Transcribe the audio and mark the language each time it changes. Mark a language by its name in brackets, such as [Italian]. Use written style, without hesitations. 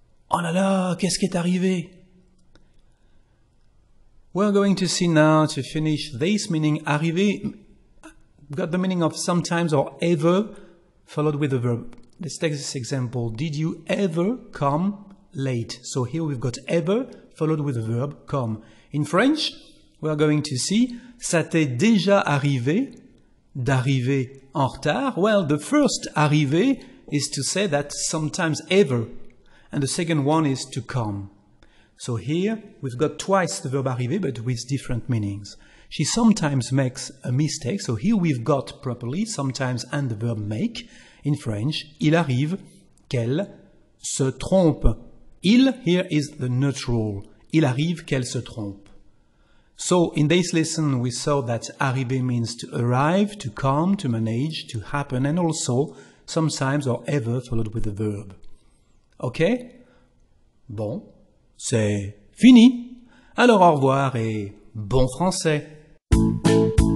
[French] Oh là là, qu'est-ce qui est arrivé? [English] We're going to see now, to finish, this meaning, arriver, got the meaning of sometimes or ever, followed with a verb. Let's take this example. Did you ever come late? So here we've got ever, followed with a verb, come. In French, we're going to see, [French] ça t'est déjà arrivé d'arriver en retard. [English] Well, the first arriver is to say that sometimes ever, and the second one is to come. So here, we've got twice the verb arriver, but with different meanings. She sometimes makes a mistake. So here we've got properly, sometimes, and the verb make. In French, [French] il arrive qu'elle se trompe. [English] Il, here is the neutral. [French] Il arrive qu'elle se trompe. [English] So in this lesson, we saw that arriver means to arrive, to come, to manage, to happen, and also sometimes or ever followed with the verb. Okay? [French] Bon. C'est fini. Alors au revoir et bon français.